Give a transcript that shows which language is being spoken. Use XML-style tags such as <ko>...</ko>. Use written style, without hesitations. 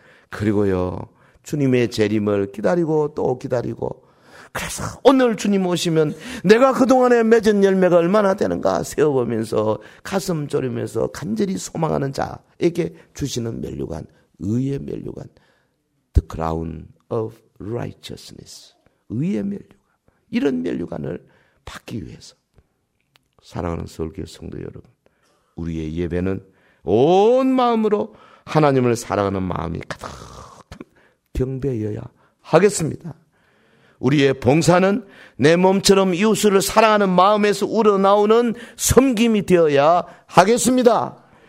<ko>그리고요, 주님의 재림을 기다리고 또 기다리고. 그래서 오늘 주님 오시면 내가 그동안에 맺은 열매가 얼마나 되는가 세어보면서 가슴 졸이면서 간절히 소망하는 자에게 주시는 면류관, 의의 면류관.</ko> <en>The crown of righteousness.</en> <ko>의의 면류관. 이런 면류관을 받기 위해서. 사랑하는 서울교회 성도 여러분. 우리의 예배는 온 마음으로 하나님을 사랑하는 마음이 가득한 경배여야 하겠습니다. 우리의 봉사는 내 몸처럼 이웃을 사랑하는 마음에서 우러나오는 섬김이 되어야 하겠습니다.</ko>